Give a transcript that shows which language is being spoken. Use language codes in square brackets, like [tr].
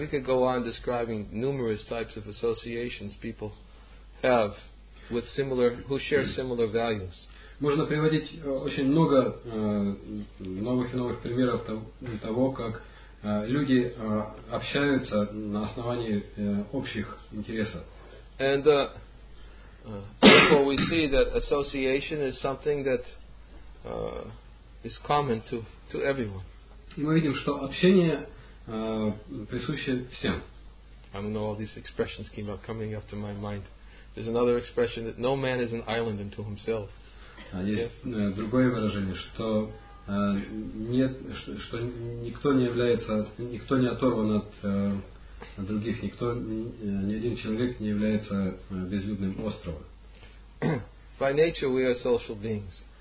[en] We could go on describing numerous types of associations people have with similar who share similar values. [ru] Можно приводить очень много новых и новых примеров того, как люди общаются на основании общих интересов. [en] And therefore we see that association is something that is common to everyone. [ru] И мы видим, что общение присуще всем. [en] I don't know, all these expressions came up coming up to my mind. There's another expression that no man is an island unto himself. [ru] Есть другое выражение, что нет, что никто не является, никто не оторван от других, никто, ни один человек не является безлюдным островом. [en] By nature we are social beings.